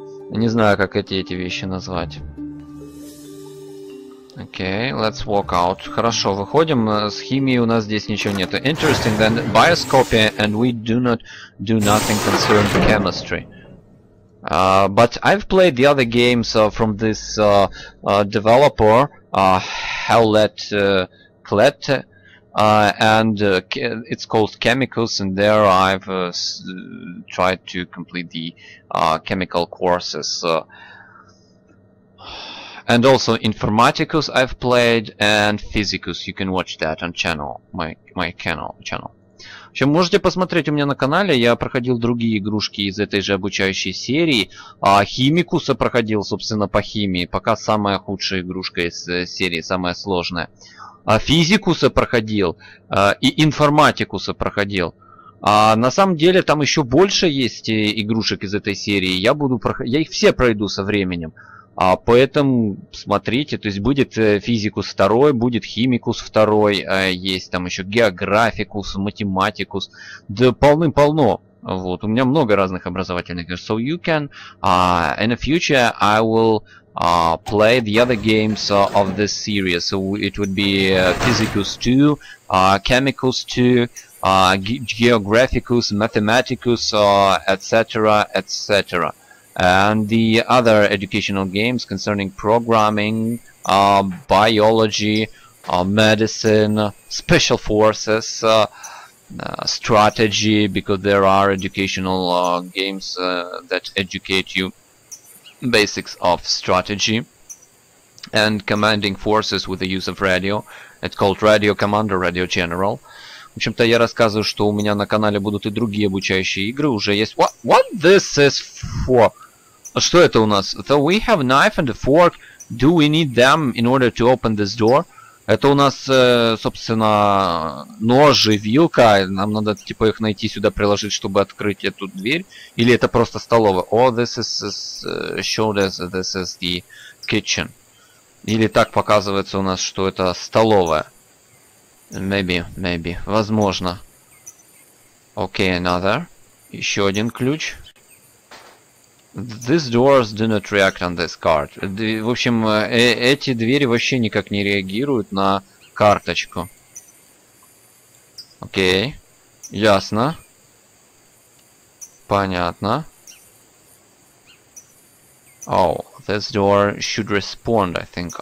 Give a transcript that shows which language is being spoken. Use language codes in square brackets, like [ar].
[ru] Не знаю, как эти вещи назвать. [en] Окей, okay, let's walk out. [ru] Хорошо, выходим. С химией у нас здесь ничего нет. [en] Interesting, then bioscopy and we do not do nothing concerned chemistry. But I've played the other games from this developer, Hewlett Clett, and it's called Chemicals, and there I've tried to complete the chemical courses. And also Informaticus I've played, and Physicus. You can watch that on channel, my channel. [ru] В общем, можете посмотреть у меня на канале, я проходил другие игрушки из этой же обучающей серии. Химикуса проходил, собственно, по химии, пока самая худшая игрушка из серии, самая сложная. Физикуса проходил и информатикуса проходил. На самом деле там еще больше есть игрушек из этой серии, я их все пройду со временем. Поэтому смотрите, то есть будет физикус второй, будет химикус второй, есть там еще географикус, математикус, да полным-полно. Вот, у меня много разных образовательных игр. [en] So you can, in the future I will play the other games of this series. So it would be physicus 2, chemicus 2, geographicus, mathematicus, etc., etc. And the other educational games concerning programming, biology, medicine, special forces, strategy, because there are educational games that educate you basics of strategy, and commanding forces with the use of radio. It's called Radio Commander, Radio General. [ru] В общем-то, я рассказываю, что у меня на канале будут и другие обучающие игры, уже есть... [en] What this is for? [ru] Что это у нас? [en] So we have knife and a fork. Do we need them in order to open this door? [ru] Это у нас, собственно, нож и вилка. Нам надо, типа, их найти сюда, приложить, чтобы открыть эту дверь. Или это просто столовая? [en] Oh, this is shoulders. This is the kitchen. [ru] Или так показывается у нас, что это столовая. [en] Maybe. [ru] Возможно. [en] Okay, another. [ru] Еще один ключ. [en] These doors do not react on this card. [ru] В общем, эти двери вообще никак не реагируют на карточку. Окей. Ясно. Понятно. [en] Oh, this door should respond, I think.